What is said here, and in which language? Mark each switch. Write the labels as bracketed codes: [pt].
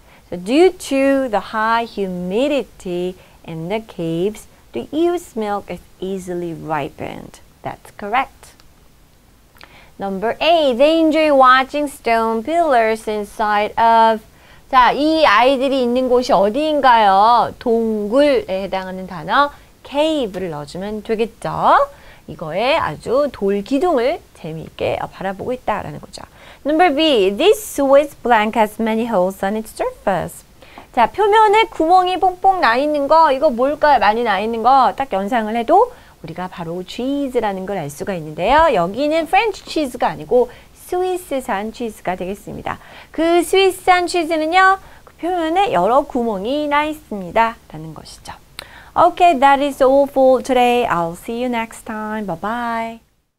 [en] So, due to the high humidity in the caves, the ewe's milk is easily ripened. That's correct. Number A, they enjoy watching stone pillars inside of. [ko] 자, 이 아이들이 있는 곳이 어디인가요? 동굴에 해당하는 단어, cave를 넣어주면 되겠죠. 이거에 아주 돌 기둥을 재미있게 바라보고 있다라는 거죠. [en] Number B, this Swiss blank has many holes on its surface. [ko] 자, 표면에 구멍이 뽕뽕 나 있는 거, 이거 뭘까요? 많이 나 있는 거, 딱 연상을 해도 우리가 바로 cheese라는 걸 알 수가 있는데요. 여기는 French cheese가 아니고 스위스산 치즈가 되겠습니다. 그 스위스산 치즈는요, 그 표면에 여러 구멍이 나 있습니다. 라는 것이죠. [en] Okay, that is all for today. I'll see you next time. Bye-bye.